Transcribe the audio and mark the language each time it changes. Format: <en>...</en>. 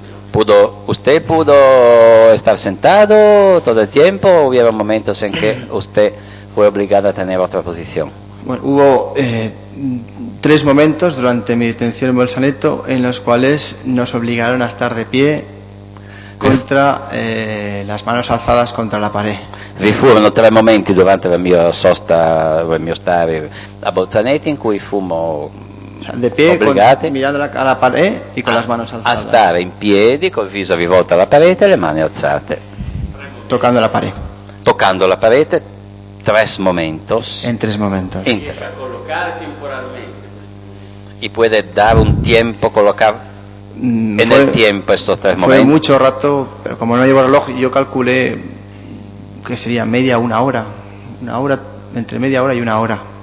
<es>Pudo, usted pudo estar sentado todo el tiempo, o hubo momentos en que usted fue obligado a tener otra posición. Bueno, hubo tres momentos durante mi detención en Bolsaneto en los cuales nos obligaron a estar de pie contra las manos alzadas contra la pared.</es> <it>Vi furono tre momenti durante la mia sosta, il mio stare a Bolzaneto in cui fummo obbligati, mirando alla parete e con le mani alzate, a stare in piedi col viso rivolto alla parete e le mani alzate, toccando la parete. Toccando la parete,</it> <es>tres momentos.</es> <it>In tres momenti. Riesci a collocare temporalmente. E puoi dare un tempo collocare.</it> <es>En el tiempo estos tres momentos. Fue mucho rato, pero como no llevo reloj, yo calculé que sería media, una hora, entre media hora y una hora.</es>